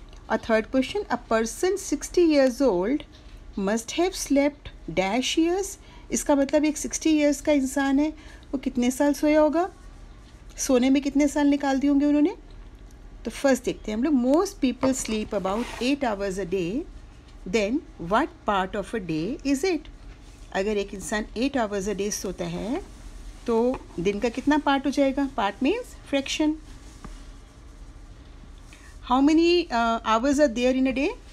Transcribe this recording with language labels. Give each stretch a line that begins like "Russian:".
English: और third question, a person 60 years old must have slept dash years.
Hindi: इसका मतलब एक 60 years का इंसान है वो कितने साल सोया होगा, सोने में कितने साल निकाल दिए होंगे उन्होंने. तो फर्स्ट देखते हैं हम लोग,
English: Most people sleep about 8 hours a day. Then, what part of a day is it?
Hindi: अगर एक इंसान 8 hours a day सोता है तो दिन का कितना पार्ट हो जाएगा?
English: Part means fraction. How many hours are there in a day?